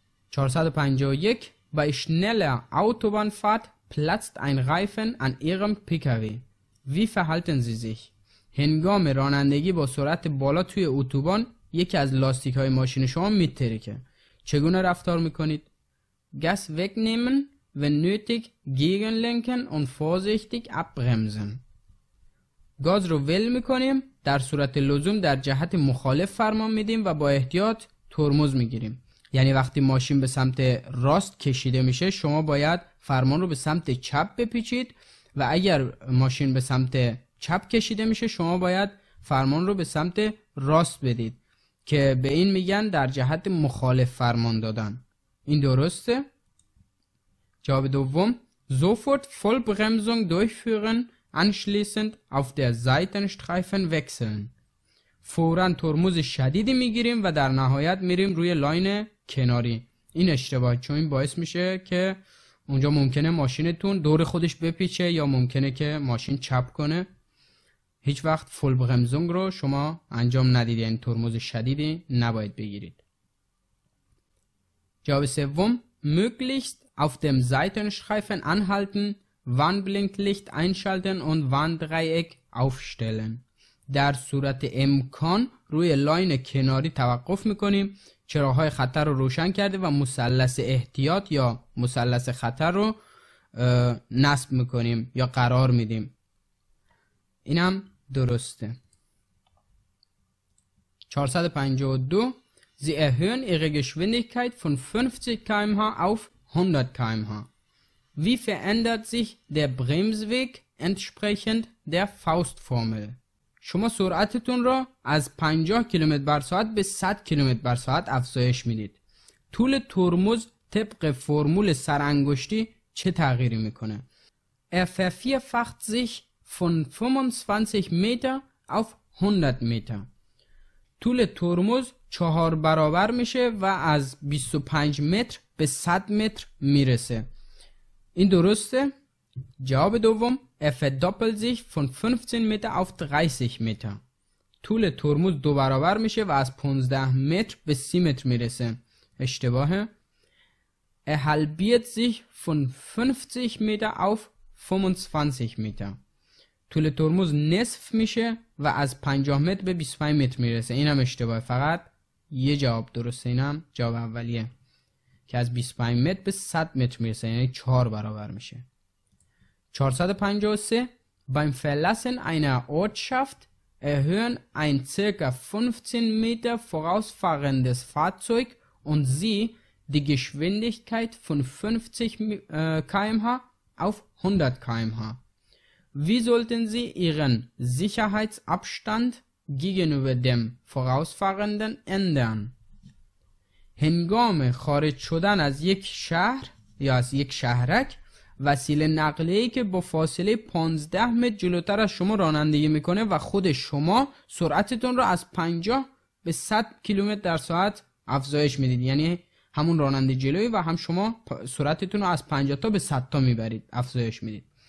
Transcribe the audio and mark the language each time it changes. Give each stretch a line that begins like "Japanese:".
German: 451، bei schneller Autobahnfahrt platzt ein Reifen an ihrem PKW. Wie verhalten Sie sich?
Persian: هنگام رانندگی با سرعت بالا توی اتوبان یکی از لاستیک های ماشین شما میترکه، چگونه رفتار میکنید؟
German: Gas wegnehmen wenn nötig, gegenlenken und vorsichtig abbremsen.
Persian: گاز رو ول میکنیم، در صورت لزوم در جهت مخالف فرمان میدیم و با احتیاط ترمز میگیریم. یعنی وقتی ماشین به سمت راست کشیده میشه شما باید فرمان رو به سمت چپ بپیچید و اگر ماشین به سمت چپ کشیده میشه شما باید فرمان رو به سمت راست بدید، که به این میگن در جهت مخالف فرمان دادن. این درسته؟ جواب دوم
German: sofort Vollbremsung durchführen, anschließend auf der Seitenstreifen wechseln.
Persian: فوراً ترمز شدیدی میگیریم و در نهایت میریم روی لاین کناری. این اشتباه چون این باعث میشه که اونجا ممکنه ماشینتون دور خودش بپیچه یا ممکنه که ماشین چپ کنه. هیچ وقت فول برمزونگ رو شما انجام ندید، یعنی ترمز شدیدی نباید بگیرید. جواب سوم
German: möglichst auf dem Seitenstreifen anhalten, Warnblinklicht einschalten und Warndreieck aufstellen.
Persian: در صورت امکان روی لاین کناری توقف میکنیم، چراغهای خطر رو روشن کرده و مثلث احتیاط یا مثلث خطر رو نصب میکنیم یا قرار میدیم. اینم درسته.
German: 452 Sie erhöhen Ihre Geschwindigkeit von 50 km/h auf 100 km/h. Wie verändert sich der Bremsweg entsprechend der Faustformel?
Persian: شما سرعتتون را از 50 کیلومتر بر ساعت به 100 کیلومتر بر ساعت افزایش میدید. طول ترمز طبق فرمول سرانگشتی چه تغییری میکنه؟
German: Er vervierfacht sich von 25 Meter auf 100 Meter.
Persian: طول ترمز چهار برابر میشه و از 25 متر به 100 متر میرسه. این درسته؟ جواب دوم
German: Er verdoppelt sich von 15 Meter auf 30 Meter.
Persian: طول ترمز دو برابر میشه و از 15 متر به 30 متر میرسه. اشتباهه.
German: Er halbiert sich von 50 Meter auf 25 Meter.
Persian: طول ترمز نصف میشه و از 50 متر به 25 متر میرسه. اینم اشتباه، فقط یه جواب درسته، اینم جواب اولیه که از 25 متر به 100 متر میرسه، یعنی 4 برابر میشه.
German: 453 Beim Verlassen einer Ortschaft erhöhen ein ca. 15 Meter vorausfahrendes Fahrzeug und Sie die Geschwindigkeit von 50 km/h auf 100 km/h. Wie sollten Sie Ihren Sicherheitsabstand gegenüber dem Vorausfahrenden ändern?
Persian: هنگام خارج شدن از یک شهر یا از یک شهرک، وسیله نقلیه‌ای که با فاصله 15 متر جلوتر از شما رانندگی میکنه و خود شما سرعتتون رو از 50 به 100 کیلومتر در ساعت افزایش میدید، یعنی همون راننده جلوی و هم شما سرعتتون رو از 50 تا به 100 تا میبرید، افزایش میدید.